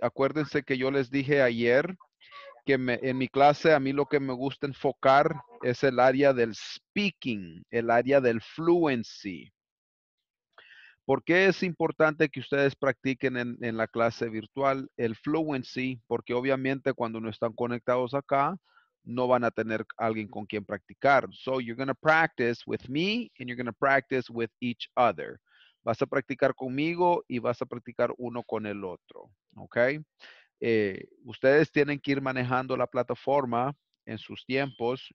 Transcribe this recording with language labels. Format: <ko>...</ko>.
<es>Acuérdense que yo les dije ayer que en mi clase a mí lo que me gusta enfocar es el área del speaking, el área del fluency. ¿Por qué es importante que ustedes practiquen en la clase virtual el fluency? Porque obviamente cuando no están conectados acá, no van a tener alguien con quien practicar.</es> <en>So you're going to practice with me and you're going to practice with each other.</en> <es>Vas a practicar conmigo y vas a practicar uno con el otro, ¿ok? Ustedes tienen que ir manejando la plataforma en sus tiempos.</es>